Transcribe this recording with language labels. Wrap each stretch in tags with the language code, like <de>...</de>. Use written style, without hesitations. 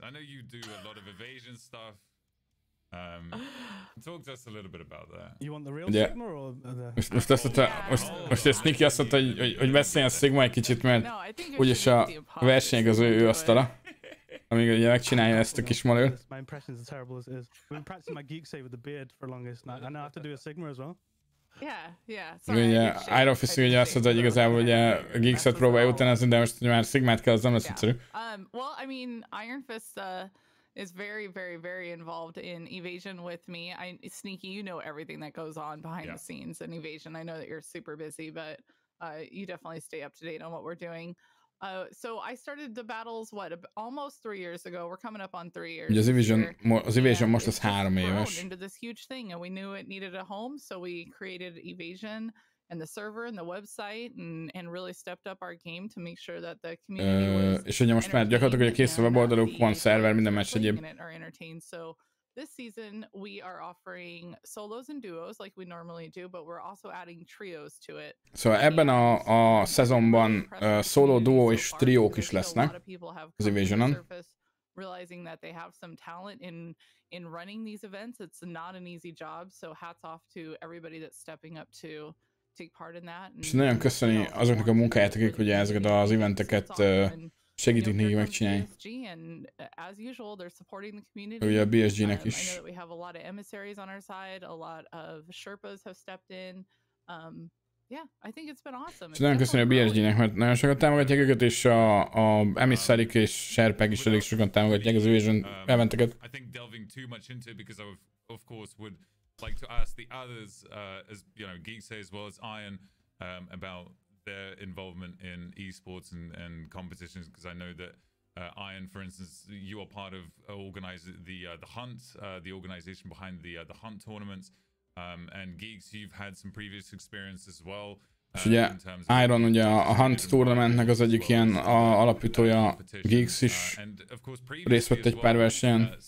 <en>I know you do a lot of evasion stuff. Talk to us a little bit about that. You want the real yeah. Sigma or the...</en> <hu>Most Sneaky azt mondta, hogy beszéljen Sigma egy kicsit, mert no, úgyis a versenyek az ő asztala. Amíg ugye megcsinálja ezt a kis malőt.</hu> <en>My impressions are terrible as it is. I've been practicing my GeeksEh with the beard for the longest night. And I have to do a Sigma as well. Yeah, yeah.</en> <hu>Sorry, ugye, IronFistsTV ugye azt mondta, hogy igazából ugye a GeeksEh-t próbálja utánozni, de most már Sigmát kell, az nem lesz egyszerű.</hu> <en>Well, I mean, IronFistsTV is very, very, very involved in evasion with me. Sneaky, you know everything that goes on behind the scenes in evasion. I know that you're super busy, but you definitely stay up to date on what we're doing. So I started the battles, what, almost 3 years ago. We're coming up on 3 years.</en> <hu>Ugye az evasion most az 3 éves.</hu> <en>Into this huge thing, and we knew it needed a home, so we created evasion and the server and the website and really stepped up our game to make sure that the community</en> <hu>és ugye most már gyakorlatilag ugye kész a weboldaluk, van szerver, minden más egyéb.</hu> <en>So this season we are offering solos and duos like we normally do, but we're also adding trios to it.</en> <hu>So ebben a szezonban solo, duo és triók is lesznek. Az evasionon.</hu> <en>Realizing that they have some talent in running these events, it's not an easy job, so hats off to everybody that's stepping up to take part in that.</en> <hu>És nagyon köszöni azoknak a munkáját, akik ugye ezeket az eventeket segítik neki megcsinálni. Ugye a BSG-nek is.</hu> <en>I know that we have a lot of emissaries on our side, a lot of Sherpas have stepped in. I think it's been awesome.</en> <hu>És nagyon köszönjük a BSG-nek, mert nagyon sokat támogatják őket, és a emissarik és Sherpek is elég sokan támogatják az evasion eventeket.</hu> <en>I think delving too much into it because I of course would like to ask the others, as you know, GeeksEh as well as Iron, about their involvement in esports and competitions, because I know that Iron, for instance, you are part of organizing the hunt, the organization behind the hunt tournaments, and GeeksEh, you've had some previous experience as well.</en> <hu>Iron, ugye a Hunt tournamentnek az egyik ilyen alapítója, GeeksEh is részt vett egy pár versenyen.</hu>